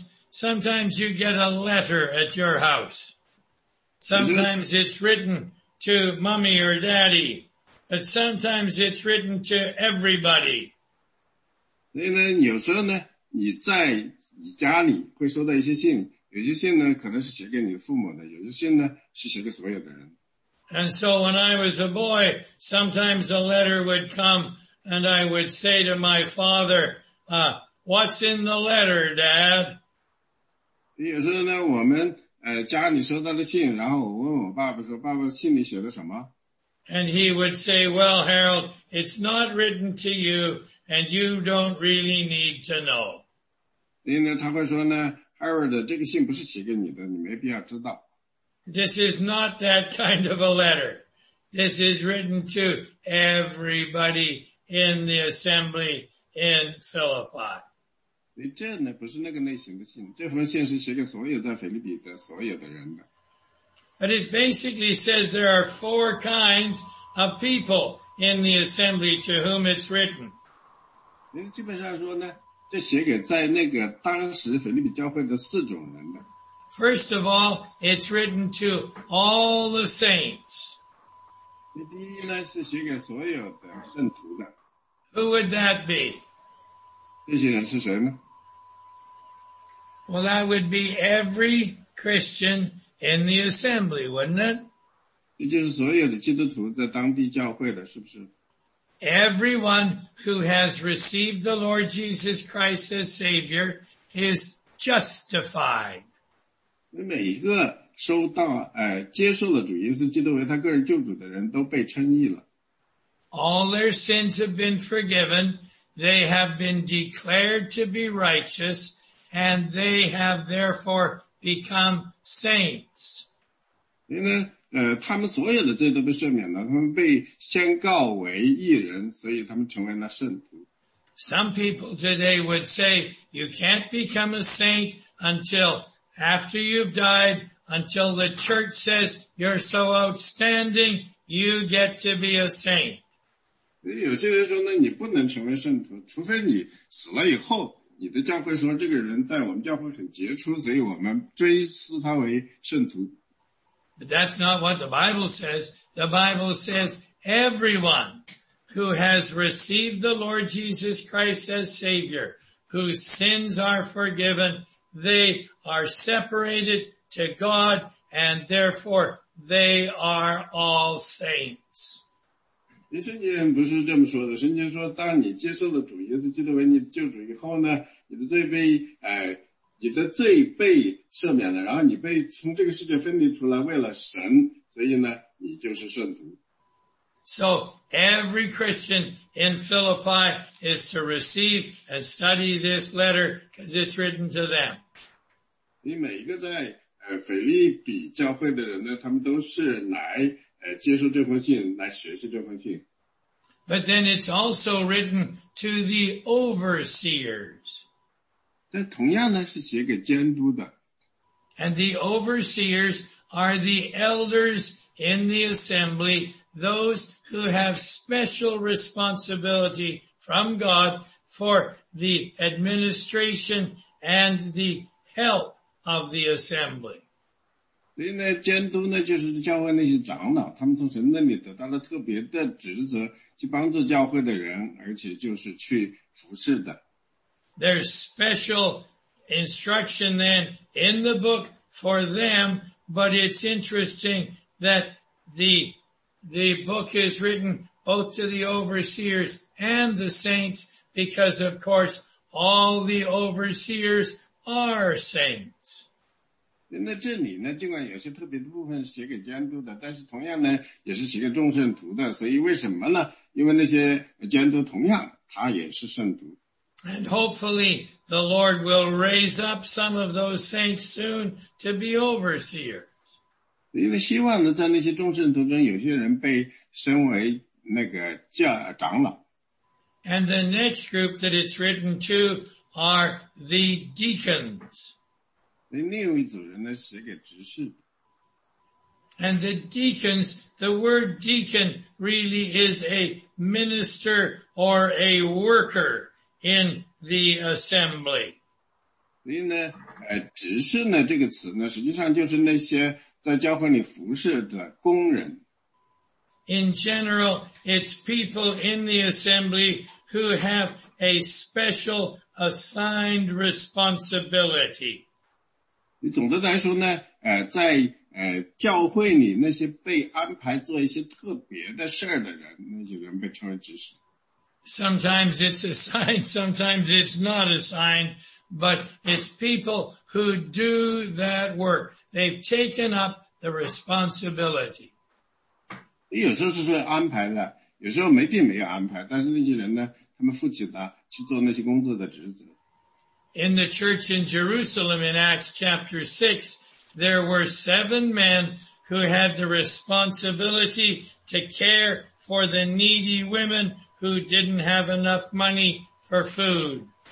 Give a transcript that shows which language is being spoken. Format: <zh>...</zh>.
<en>Sometimes you get a letter at your house. Sometimes it's written to mommy or daddy, but sometimes it's written to everybody.</en> <zh>因为呢，有时候呢，你在你家里会收到一些信。有些信呢可能是写给你父母的，有些信呢是写给所有的人。</zh> <en>And so when I was a boy, sometimes a letter would come and I would say to my father, what's in the letter, dad?</en> <zh>有时候呢我们家里收到的信，然后我问我爸爸说，爸爸信里写的什么？</zh> <en>And he would say, well, Harold, it's not written to you and you don't really need to know.</en> <zh>因为他会说呢 Howard, 这个信不是写给你的，你没必要知道。</zh> <en>This is not that kind of a letter. This is written to everybody in the assembly in Philippi.</en> <zh>你这呢不是那个类型的信，这封信是写给所有在腓立比的所有的人的。</zh> <en>But it basically says there are four kinds of people in the assembly to whom it's written.</en> <zh>基本上说呢，这写给在那个当时腓立比教会的四种人的。</zh> <en>First of all, it's written to all the saints.</en> <zh>第一呢，是写给所有的圣徒的。</zh> <en>Who would that be?</en> <zh>这些人是谁呢？</zh> <en>Well, that would be every Christian in the assembly, wouldn't it?</en> <zh>也就是所有的基督徒在当地教会的，是不是？</zh> <en>Everyone who has received the Lord Jesus Christ as Savior is justified.</en> <zh>每一个收到接受了主耶稣基督为他个人救主的人都被称义了。</zh> <en>All their sins have been forgiven. They have been declared to be righteous, and they have therefore become saints.</en> <zh>因为他们所有的罪都被赦免了，他们被宣告为义人，所以他们成为了圣徒。</zh> <en>Some people today would say you can't become a saint until after you've died, until the church says you're so outstanding, you get to be a saint.</en> <zh>有些人说呢，你不能成为圣徒，除非你死了以后，你的教会说这个人在我们教会很杰出，所以我们追思他为圣徒。</zh> <en>But that's not what the Bible says. The Bible says everyone who has received the Lord Jesus Christ as Savior, whose sins are forgiven, they are separated to God, and therefore they are all saints.</en> <zh>圣经不是这么说的，圣经说当你接受了主耶稣基督为你的救主以后呢，你的罪被你的罪被赦免了，然后你被从这个世界分离出来为了神，所以呢你就是圣徒。</zh> <en>So, every Christian in Philippi is to receive and study this letter because it's written to them.</en> <zh>你每一个在腓立比教会的人呢，他们都是来接受这封信，来学习这封信。</zh> <en>But then it's also written to the overseers.</en> <zh>但同样呢，是写给监督的。</zh> <en>And the overseers are the elders in the assembly, those who have special responsibility from God for the administration and the help of the assembly.</en> <zh>所以呢，监督呢就是教会那些长老，他们从神那里得到了特别的职责，去帮助教会的人，而且就是去服侍的。</zh> <en>There's special instruction then in the book for them, but it's interesting that the book is written both to the overseers and the saints, because of course all the overseers are saints.</en> <zh>那这里呢，尽管有些特别的部分写给监督的，但是同样呢，也是写给众圣徒的。所以为什么呢？因为那些监督同样他也是圣徒。</zh> <en>And hopefully the Lord will raise up some of those saints soon to be overseers.</en> <zh>因为希望呢，在那些众圣徒中，有些人被升为那个长老。</zh> <en>And the next group that it's written to are the deacons.</en> <zh>另一组人呢，写给执事的。</zh> <en>And the deacons, the word deacon really is a minister or a worker in the assembly.</en> <zh>所以呢，执事呢这个词呢，实际上就是那些在教会里服侍的工人。</zh> <en>In general, it's people in the assembly who have a special assigned responsibility.</en> <zh>你总的来说呢，在教会里那些被安排做一些特别的事儿的人，那些人被称为执事。</zh> <en>Sometimes it's assigned, sometimes it's not assigned, but it's people who do that work. They've taken up the responsibility.</en> <zh>有时候是说安排的，有时候没并没有安排，但是那些人呢，他们负起了去做那些工作的职责。</zh> <en>in the church in Jerusalem in Acts chapter 6, there were seven men who had the responsibility to care for the needy women who didn't have enough money for food.</en>